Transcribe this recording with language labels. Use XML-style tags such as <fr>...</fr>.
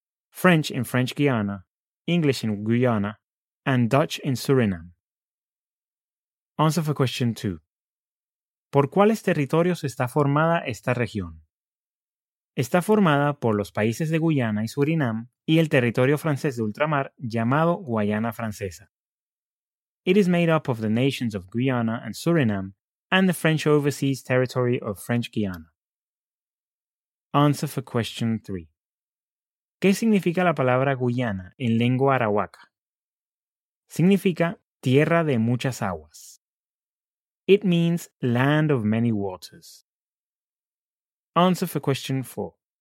<en>French in French Guiana, English in Guyana, and Dutch in Surinam. Answer for question 2.</en> <es>¿Por cuáles territorios está formada esta región? Está formada por los países de Guyana y Surinam y el territorio francés de ultramar llamado Guayana Francesa.</es> <en>It is made up of the nations of Guyana and Suriname and the French overseas territory of French Guiana. Answer for question 3.</en> <es>¿Qué significa la palabra Guyana en lengua Arawak? Significa tierra de muchas aguas.</es> <en>It means land of many waters. Answer for question 4.</en>